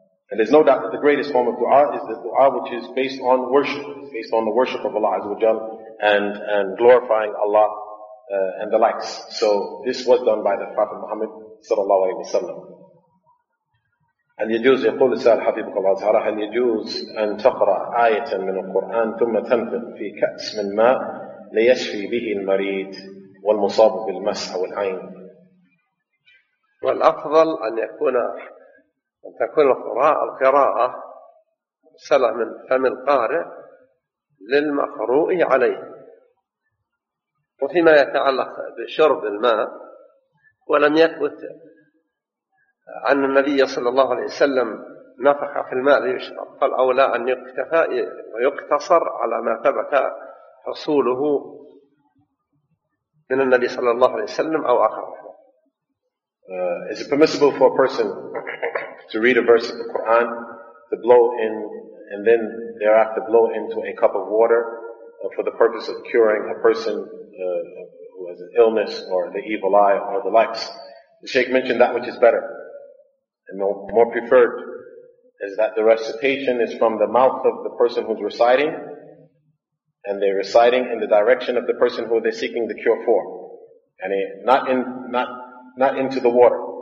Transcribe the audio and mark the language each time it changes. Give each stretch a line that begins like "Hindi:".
English: And there's no doubt that the greatest form of dua is the dua which is based on worship. It's based on the worship of Allah Azza wa Jal and glorifying Allah and the likes. So this was done by the Prophet Muhammad sallallahu alayhi wa sallam.
Arabic: هل يجوز يقول السائل حفظك الله تعالى هل يجوز أن تقرأ آية من القرآن ثم تنفق في كأس من ماء ليشفي به المريض والمصاب بالمس أو العين؟ والأفضل أن تكون القراءة مرسلة من فم القارئ للمقروء عليه. وفيما يتعلق بشرب الماء ولم يثبت أن النبي صلى الله عليه وسلم نفخ في الماء ليشرب، فالأولى أن يكتفى ويقتصر على ما ثبت حصوله من النبي صلى الله عليه وسلم أو آخر.
English: Is it permissible for a person to read a verse of the Quran, to blow in, and then thereafter blow into a cup of water for the purpose of curing a person who has an illness or the evil eye or the likes? The Shaykh mentioned that which is better and more preferred is that the recitation is from the mouth of the person who's reciting, and they're reciting in the direction of the person who they're seeking the cure for, and not into the water.